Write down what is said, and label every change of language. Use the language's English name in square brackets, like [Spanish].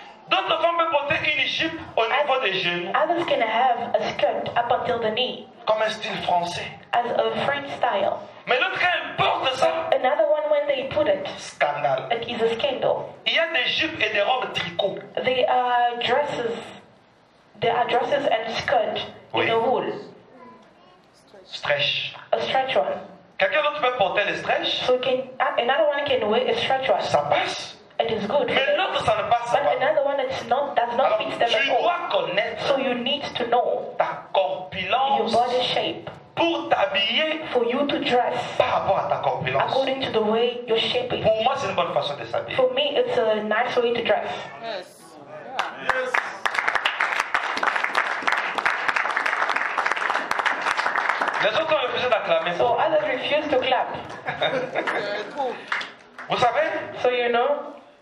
[French] D'autres femmes peuvent porter une jupe au niveau des genoux. [English] Others can have a skirt up until the knee. [French] Comme un style français. [English] As a French style. [French] Mais l'autre quand elle porte ça. [English] But another one when they put it. [French] Scandale. [English] It is a scandal. [French] Il y a des jupes et des robes tricot. [English] They are dresses. There are dresses and skirt [French] oui. [English] In a wool. [French] Stretch. [English] A stretch one. [French] Quelqu'un d'autre peut porter le stretch. [English] So can, another one can wear a stretch one. [French] Ça passe. [English] It is good. [French] Mais l'autre, ça ne passe [English] but [French] pas. [English] Another one it's not, does not [French] alors, [English] fit them [French] tu [English] at all. [French] Dois connaître [English] so you need to know [French] ta corpulence [English] your body shape [French] pour t'habiller [English] for you to dress [French] par rapport à ta corpulence. [English] According to the way your shape is. [French] Pour moi, c'est une bonne façon de s'habiller. [English] For me, it's a nice way to dress. Yes. Yes. Yeah. Yes. [French] Les autres ont refusé d'acclamer. [English] So others refused to clap. [French] Vous savez? [English] So you know.